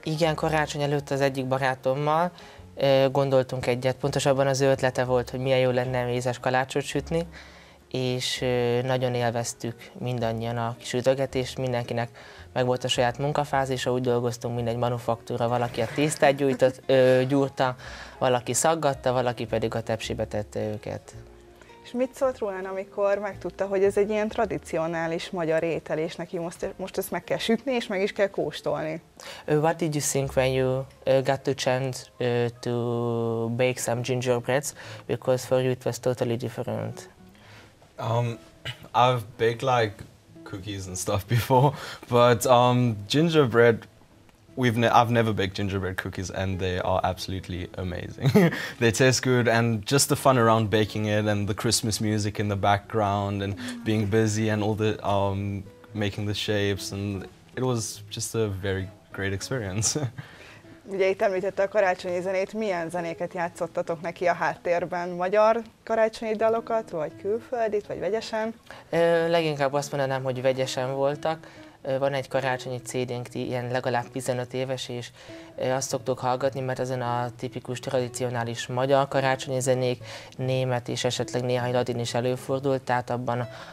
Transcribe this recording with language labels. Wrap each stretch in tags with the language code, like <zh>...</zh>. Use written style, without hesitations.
<hu>Igen, karácsony előtt az egyik barátommal gondoltunk egyet, pontosabban az ő ötlete volt, hogy milyen jó lenne mézes kalácsot sütni, és nagyon élveztük mindannyian a kis üdögetést, mindenkinek meg volt a saját munkafázisa, úgy dolgoztunk, mint egy manufaktúra, valaki a tésztát gyúrta, valaki szaggatta, valaki pedig a tepsibe tette őket. És mit szólt Ruán, amikor megtudta, hogy ez egy ilyen tradicionális magyar étel, és neki most ezt meg kell sütni, és meg is kell kóstolni?</hu> <en>What did you think when you got the chance to bake some gingerbreads, because for you it was totally different? I've baked like cookies and stuff before, but gingerbread, I've never baked gingerbread cookies, and they are absolutely amazing. They taste good, and just the fun around baking it, and the Christmas music in the background, and being busy, and all the making the shapes, and it was just a very great experience.</en> <hu>Ugye itt említette a karácsonyi zenét, milyen zenéket játszottatok neki a háttérben? Magyar karácsonyi dalokat, vagy külföldit, vagy vegyesen? Leginkább azt mondanám, hogy vegyesen voltak. Van egy karácsonyi CD-nk, ilyen legalább 15 éves, és azt szoktuk hallgatni, mert azon a tipikus, tradicionális magyar karácsonyi zenék, német és esetleg néhány latin is előfordult, tehát abban</hu>